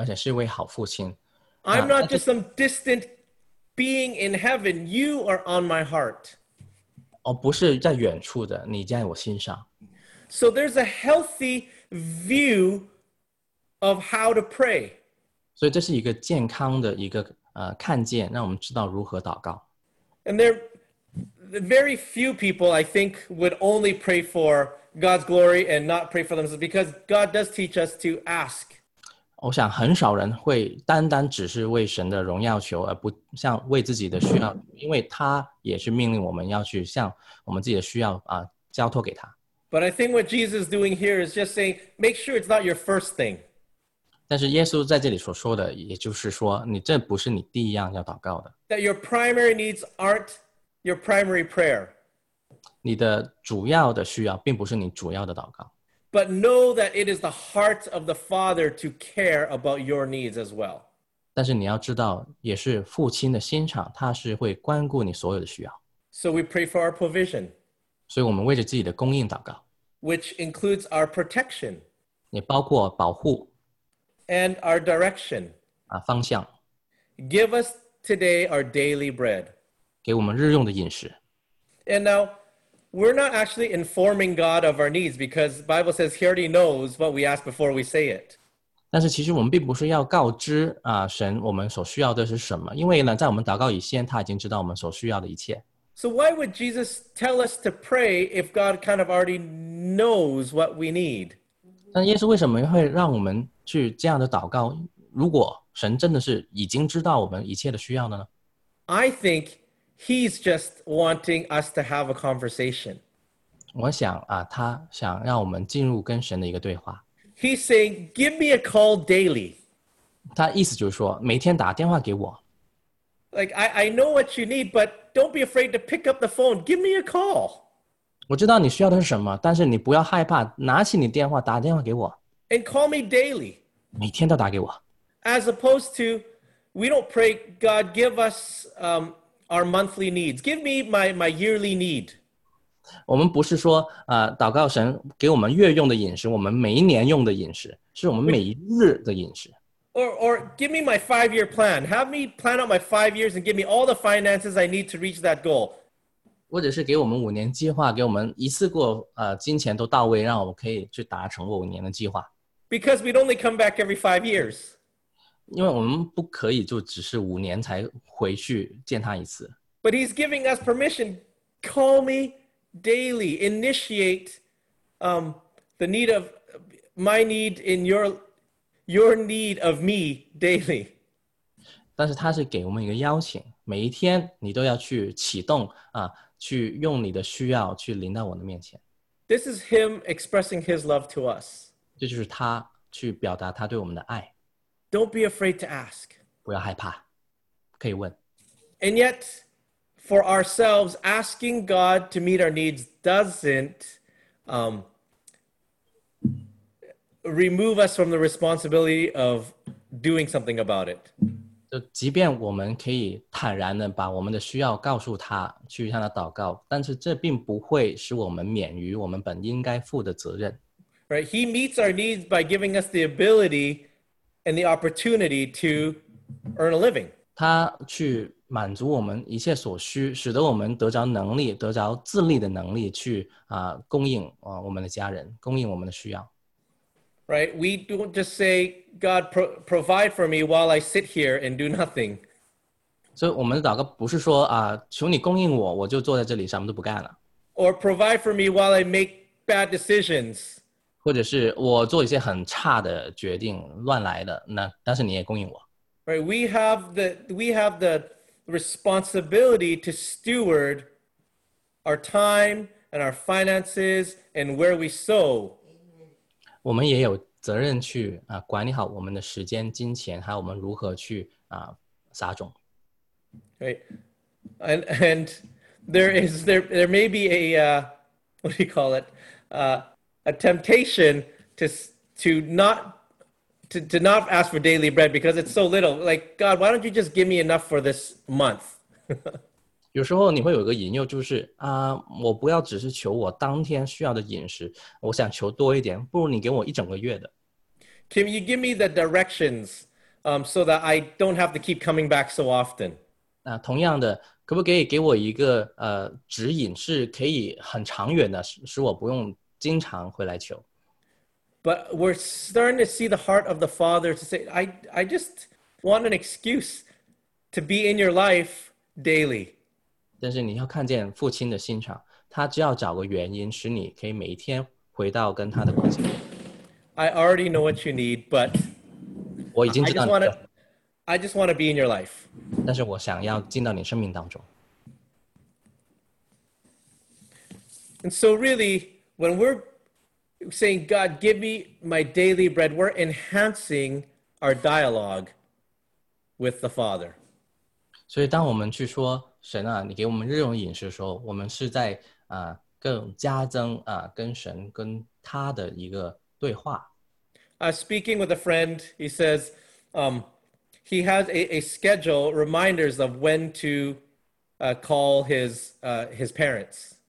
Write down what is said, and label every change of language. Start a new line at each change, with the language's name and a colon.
Chinese: 如果我是父亲，而且是一位好父亲，
English: I'm not just some distant being in heaven. You are on my heart.
Chinese: 不是在远处的，你在我心上。
English: So there's a healthy view of how to pray.
Chinese: 所以这是一个健康的一个。看见，让我们知道如何祷告。
English: And there very few people I think would only pray for God's glory and not pray for themselves because God does teach us to ask.
Chinese: 我想很少人会单单只是为神的荣耀求，而不像为自己的需要，因为他也是命令我们要去向我们自己的需要啊交托给他。
English: But I think what Jesus is doing here is just saying, make sure it's not your first thing.
Chinese: 但是耶稣在这里所说的，也就是说，你这不是你第一样要祷告的。
English: That your primary needs aren't your primary prayer.
Chinese: 你的主要的需要并不是你主要的祷告。
English: But know that it is the heart of the Father to care about your needs as well.
Chinese: 但是你要知道，也是父亲的心肠，他是会关顾你所有的需要。
English: So we pray for our provision.
Chinese: 所以我们为着自己的供应祷告。
English: Which includes our protection.
Chinese: 也包括保护。
English: And our direction.
Chinese: 啊，方向。
English: Give us today our daily bread.
Chinese: 给我们日用的饮食。
English: And now,We're not actually informing God of our needs because the Bible says he already knows what we ask before we say it.
Chinese: 但是其实我们并不是要告知啊神我们所需要的是什么，因为呢在我们祷告以前他已经知道我们所需要的一切。
English: So why would Jesus tell us to pray if God kind of already knows what we need?
Chinese: 但耶稣为什么会让我们去这样的祷告，如果神真的是已经知道我们一切的需要的呢？
English: I thinkHe's just wanting us to have a conversation.
Chinese: 我想啊，他想让我们进入跟神的一个对话。
English: He's saying, give me a call daily.
Chinese: 他意思就是说，每天打电话给我。
English: Like, I know what you need, but don't be afraid to pick up the phone. Give me a call.
Chinese: 我知道你需要的是什么，但是你不要害怕，拿起你电话，打电话给我。
English: And call me daily.
Chinese: 每天都打给我。
English: As opposed to, we don't pray, God, give us... Our monthly needs. Give me my yearly need.
Chinese: 我们不是说祷告神给我们月用的饮食，我们每一年用的饮食，是我们每一日的饮食。
English: Or give me my 5-year plan. Have me plan out my 5 years and give me all the finances I need to reach that goal.
Chinese: 或者是给我们五年计划，给我们一次过金钱都到位，让我们可以去达成我五年的计划。
English: Because we'd only come back every 5 years.
Chinese: 因为我们不可以就只是五年才回去见他一次。
English: But he's giving us permission. Call me daily. Initiate the need of my need in your need of me daily.
Chinese: 但是他是给我们一个邀请，每一天你都要去启动啊，去用你的需要去临到我的面前。
English: This is him expressing his love to us.
Chinese: 这就是他去表达他对我们的爱。
English: Don't be afraid to ask.
Chinese: 不要害怕，可以问。
English: And yet, for ourselves, asking God to meet our needs doesn't remove us from the responsibility of doing something about it.
Chinese: 就即便我们可以坦然地把我们的需要告诉他，去向他祷告，但是这并不会使我们免于我们本应该负的责任。
English: Right, he meets our needs by giving us the ability... And the opportunity to earn a living.
Chinese: 他去满足我们一切所需，使得我们得着能力，得着自立的能力去供应我们的家人，供应我们的需要。
English: Right, we don't just say, God, provide for me while I sit here and do nothing.
Chinese: 所以我们的祷告不是说求你供应我，我就坐在这里什么都不干了。
English: Or provide for me while I make bad decisions.
Chinese: 或者是我做一些很差的决定，乱来的，那但是你也供应我。
English: Right, we have the responsibility to steward our time and our finances and where we sow.
Chinese: 我们也有责任去管理好我们的时间、金钱，还有我们如何去撒种。
English: Right, and there may be a what do you call it A temptation to not ask for daily bread because it's so little. Like, God, why don't you just give me enough for this month?
Chinese: 有时候你会有一个引诱，就是我不要只是求我当天需要的饮食，我想求多一点，不如你给我一整个月的。
English: Can you give me the directions so that I don't have to keep coming back so often?
Chinese: 同样的，可不可以给我一个指引，是可以很长远的，使我不用。经常回来求。
English: But we're starting to see the heart of the Father to say, I just want an excuse to be in your life daily.
Chinese: 但是你要看见父亲的心肠，他只要找个原因使你可以每一天回到跟他的关系。
English: I already know what you need, but
Chinese: 我已经知道你了。
English: I just want to be in your life.
Chinese: 但是我想要进到你生命当中。
English: And so really, when we're saying, God, give me my daily bread, we're enhancing our dialogue with the Father.
Chinese: 所以当我们去说神啊，你给我们日用饮食的时候，我们是在更加增跟神跟他的一个对话。
English: Speaking with a friend, he says, he has a schedule reminders of when to call his parents.